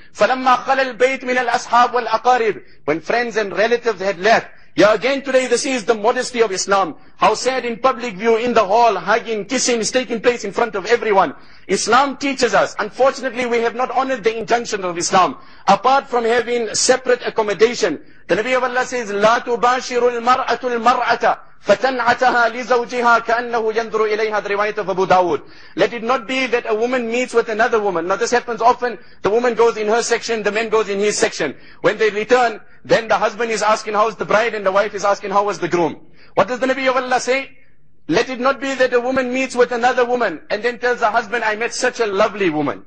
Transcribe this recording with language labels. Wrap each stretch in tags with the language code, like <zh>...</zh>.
<ar>فَلَمَّا خَلَى الْبَيْتُ مِنَ الْأَصْحَابِ وَالْأَقَارِبِ.</ar> <en>When friends and relatives had left. Yeah, again today this is the modesty of Islam. How sad in public view, in the hall, hugging, kissing is taking place in front of everyone. Islam teaches us. Unfortunately, we have not honored the injunction of Islam. Apart from having separate accommodation, the Nabi of Allah says,</en> <ar>لا تباشر المرأة المرأة فتنعتها لزوجها كأنه ينظر إليها.</ar> <en>The riwayat of Abu Dawood. Let it not be that a woman meets with another woman. Now this happens often. The woman goes in her section, the man goes in his section. When they return, then the husband is asking how's the bride and the wife is asking how was the groom. What does the Nabi of Allah say? Let it not be that a woman meets with another woman and then tells the husband, I met such a lovely woman.</en>